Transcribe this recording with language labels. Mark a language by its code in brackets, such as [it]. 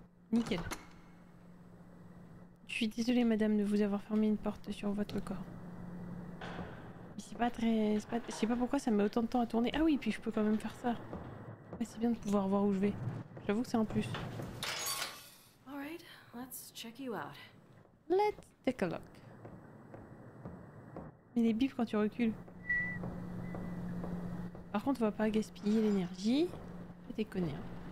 [fr] Nickel. Je suis désolée madame de vous avoir fermé une porte sur votre corps. Mais c'est pas très... Je sais pas pourquoi ça met autant de temps à tourner. Ah oui, puis je peux quand même faire ça. Ouais, c'est bien de pouvoir voir où je vais. J'avoue que c'est un plus. [en] All right, let's check you out. Let's take a look. [fr] Mais les bifs quand tu recules. Par contre, on va pas gaspiller l'énergie. Je vais déconner. Hein.